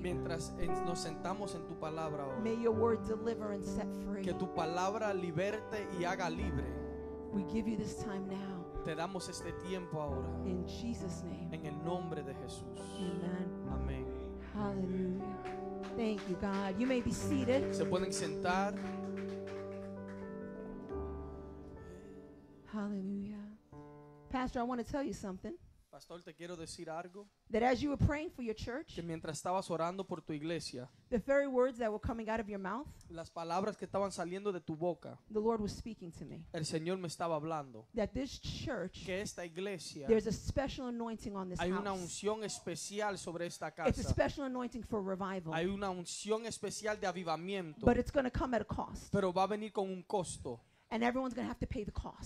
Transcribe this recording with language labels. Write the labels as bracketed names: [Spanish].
[Spanish] Mientras nos sentamos en tu palabra ahora. [English] May your word deliver and set free. [Spanish] Que tu palabra liberte y haga libre. [English] We give you this time now. [Spanish] Te damos este tiempo ahora. [English] In Jesus' name. [Spanish] En el nombre de Jesús. [English] Amen. [Spanish] Amén. [English] Hallelujah. Thank you, God. You may be seated. [Spanish] Se pueden sentar. [English] Hallelujah. Pastor, I want to tell you something. [Spanish] Pastor, te quiero decir algo. [English] That as you were praying for your church, [Spanish] que mientras estabas orando por tu iglesia, [English] the very words that were coming out of your mouth, [Spanish] las palabras que estaban saliendo de tu boca, [English] the Lord was speaking to me. [Spanish] El Señor me estaba hablando. [English] That this church, [Spanish] que esta iglesia, [English] there's a special anointing on this [Spanish] hay [English] house. [Spanish] Hay una unción especial sobre esta casa. [English] It's a special anointing for revival. [Spanish] Hay una unción especial de avivamiento. [English] But it's going to come at a cost. [Spanish] Pero va a venir con un costo. [English] And everyone's going to have to pay the cost.